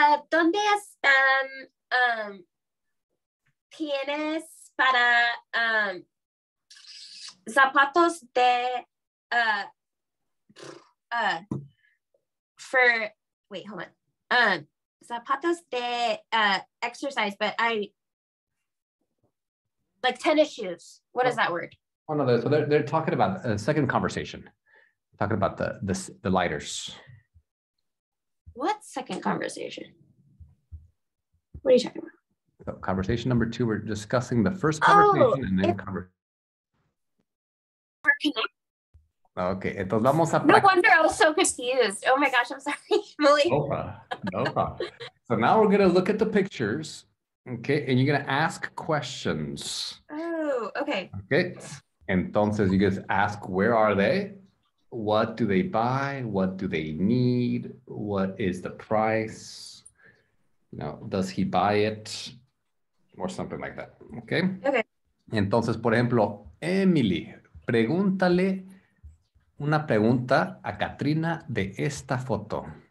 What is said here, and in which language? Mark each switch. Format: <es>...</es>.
<es>¿Dónde están tienes para zapatos de</es> <en>for wait, hold on.</en> <es>Zapatos de</es> <en>exercise, but like tennis shoes. What is that word? Oh no, so they're talking about a second conversation, talking about the lighters. What second conversation? What are you talking about? So conversation number two, we're discussing the first conversation and then conversation.</en> <es>Okay, entonces vamos a...</es> <en>No wonder I was so confused. Oh my gosh, I'm sorry, Emily. No problem. So now we're going to look at the pictures, okay? And you're going to ask questions. Oh, okay. Okay,</en> <es>entonces</es> <en>you just ask, where are they? What do they buy? What do they need? What is the price? You know, does he buy it? Or something like that, okay? Okay.</en> <es>Entonces, por ejemplo, Emily, pregúntale... Una pregunta a Katrina de esta foto.</es>